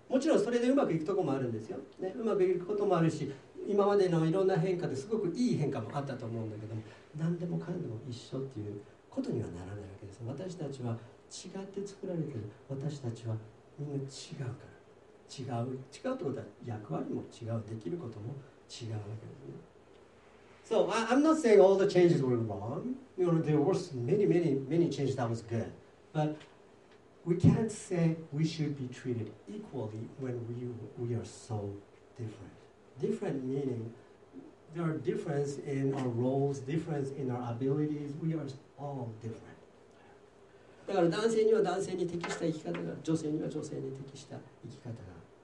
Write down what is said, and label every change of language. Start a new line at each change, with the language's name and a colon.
Japanese: もちろんそれでうまくいくとこもあるんですよ、ね、うまくいくこともあるし、今までのいろんな変化ですごくいい変化もあったと思うんだけども、何でもかんでも一緒っていうことにはならないわけです。私たちは違って作られてる、私たちはみんな違うから、違うってことは役割も違う、できることも違うわけですね。
English: So I'm not saying all the changes were wrong. You know, there were many, many, many changes that was good. But we can't say we should be treated equally when we are so different. Different meaning there are differences in our roles, differences in our abilities. We are all different.
Japanese: だから男性には男性に適した生き方が、女性には女性に適した生き方が。